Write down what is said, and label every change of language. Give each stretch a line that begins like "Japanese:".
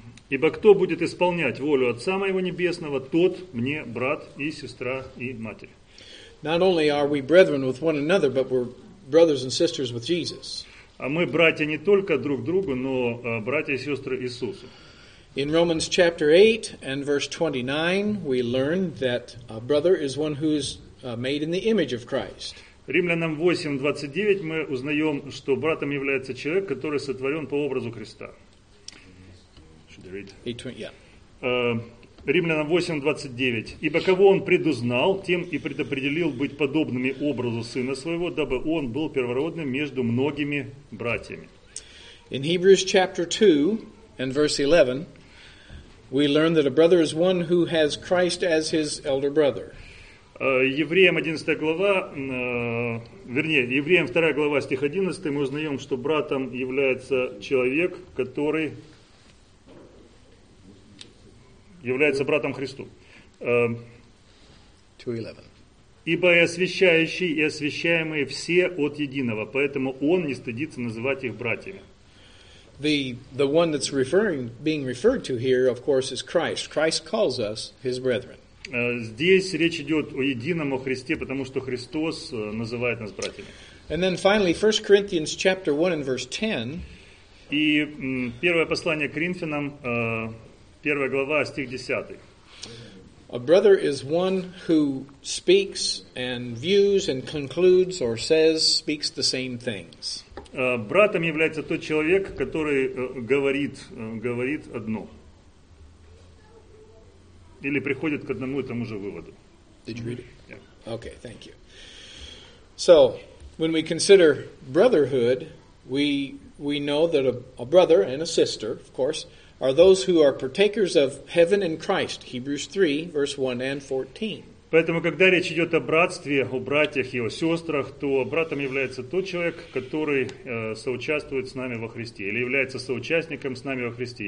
Russian: Ибо кто будет исполнять волю Отца Моего Небесного, тот мне брат и сестра и матерь.
English: Not only are we brethren with one another, but we're brothers and sisters with Jesus.
Russian: А мы братья не только друг другу, но братья и сестры Иисуса.
English: In Romans chapter 8 and verse 29, we learn that a brother is one who is made in the image of Christ.
Russian: Римлянам 8:29 мы узнаем, что братом является человек, который сотворен по образу Христа.
English: Should I read? 8:29, yeah.
Russian: Римлянам 8:29. Ибо кого он предузнал, тем и предопределил быть подобными образу Сына Своего, дабы он был первородным между многими братьями.
English: In Hebrews chapter 2 and verse 11, we learn that a brother is one who has Christ as his elder brother.
Russian: Евреям 11 глава, вернее, Евреям 2 глава, стих 11, мы узнаем, что братом является человек, который является братом Христу. 2:11. Ибо и освящающий, и освящаемые все от единого, поэтому он не стыдится называть их братьями.
English: The one that's being referred to here, of course, is Christ. Christ calls us his brethren.
Russian: Здесь речь идет о едином, о Христе, потому что Христос называет нас братьями.
English: And then finally, 1 Corinthians chapter 1 and verse 10.
Russian: И первое послание Коринфянам, первая глава, стих 10.
English: A brother is one who speaks and views and concludes or says, speaks the same things.
Russian: Братом является тот человек, который говорит одно. Или приходит к одному и тому же выводу.
English: Did you read it? Yeah. Okay, thank you. So, when we consider brotherhood, we know that a brother and a sister, of course, are those who are partakers of heaven and Christ, Hebrews 3, verse 1 and 14.
Russian: Поэтому, когда речь идет о братстве, о братьях и о сестрах, то братом является тот человек, который соучаствует с нами во Христе, или является соучастником с нами во Христе.